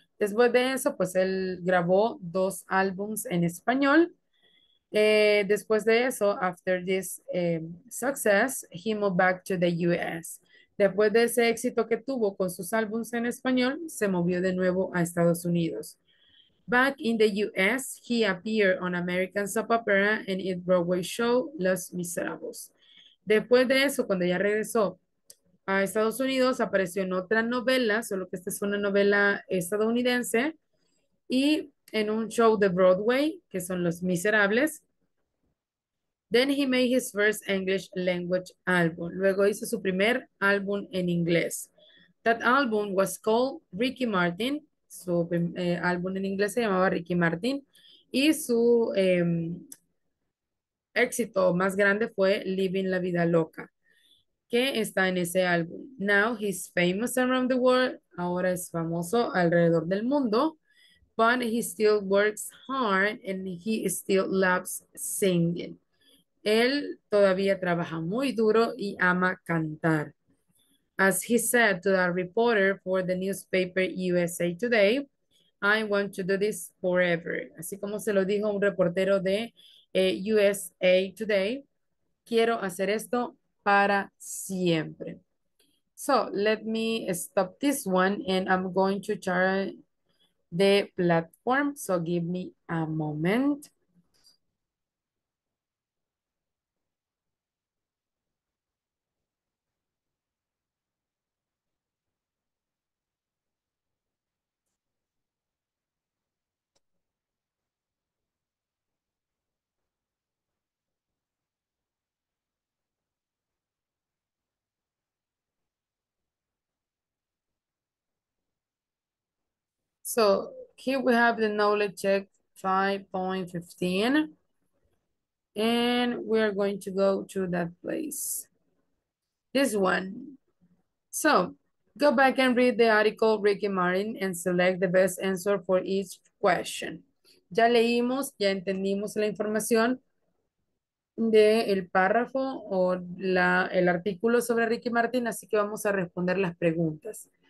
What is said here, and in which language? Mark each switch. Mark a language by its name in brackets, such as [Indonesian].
[Spanish] Después de eso, pues él grabó dos álbums en español. Después de eso, [English] after this success, he moved back to the U.S. [Spanish] Después de ese éxito que tuvo con sus álbums en español, se movió de nuevo a Estados Unidos. [English] Back in the U.S., he appeared on American soap opera and its Broadway show, Los Miserables. [Spanish] Después de eso, cuando ya regresó a Estados Unidos, apareció en otra novela, solo que esta es una novela estadounidense, y en un show de Broadway, que son Los Miserables. [English] Then he made his first English language album. [Spanish] Luego hizo su primer álbum en inglés. [English] That album was called Ricky Martin. [Spanish] Su álbum en inglés se llamaba Ricky Martin. Y su éxito más grande fue Living La Vida Loca, que está en ese álbum. [English] Now he's famous around the world. [Spanish] Ahora es famoso alrededor del mundo. [English] But he still works hard and he still loves singing. [Spanish] Él todavía trabaja muy duro y ama cantar. [English] As he said to that reporter for the newspaper USA Today, I want to do this forever. [Spanish] Así como se lo dijo un reportero de USA Today, quiero hacer esto para siempre. [English] So, let me stop this one and I'm going to try the platform. So, give me a moment. So here we have the knowledge check 5.15, and we are going to go to that place. This one. So go back and read the article Ricky Martin and select the best answer for each question. [Spanish] Ya leímos, ya entendimos la información de el párrafo o la, el artículo sobre Ricky Martin, así que vamos a responder las preguntas.